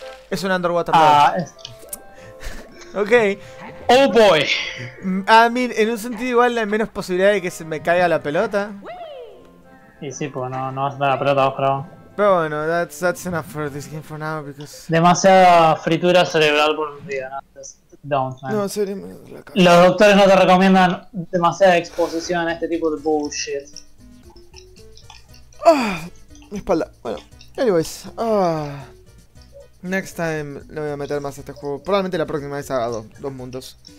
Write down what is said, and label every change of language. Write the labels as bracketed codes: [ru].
[es] Es un underwater. Ok. [en] Oh boy. I mean, [es] en un sentido igual hay menos posibilidad de que se me caiga la pelota. Y sí, porque no vas a dar la pelota vos, creo. Pero bueno, [en] that's enough for this game for now because. [es] Demasiada fritura cerebral por un día, ¿no? [en] Don't, man. [es] No, serio, me... Los doctores no te recomiendan demasiada exposición a este tipo de bullshit. Ah, mi espalda. Bueno, anyways. Ah, [en] next time [es] le voy a meter más a este juego. Probablemente la próxima vez haga dos mundos.